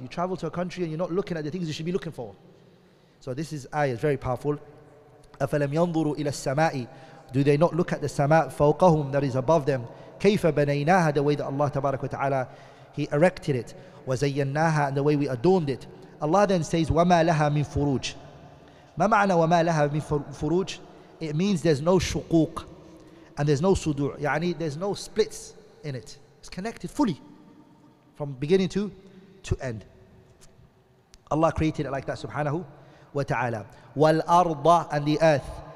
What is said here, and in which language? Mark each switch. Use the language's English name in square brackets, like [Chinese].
[English] You travel to a country and you're not looking at the things you should be looking for. So this is ayah, it's very powerful. [Arabic] أَفَلَمْ يَنْظُرُوا إِلَى السَّمَاءِ. [English] Do they not look at the sama' فَوْقَهُمْ, that is above them. كَيْفَ بَنَيْنَاهَا, the way that Allah tabarak wa ta'ala, He erected it. وَزَيَّنَّاهَا, and the way we adorned it. [Arabic] Allah then says, وَمَا لَهَا مِنْ فُرُوجِ. مَا مَعْنَى وَمَا لَهَا مِنْ فُرُوجِ. [English] It means there's no shuquq and there's no sudu', يعني there's no splits in it. It's connected fully from beginning to end. Allah created it like that, subhanahu wa ta'ala. وَالْأَرْضَ, and the earth.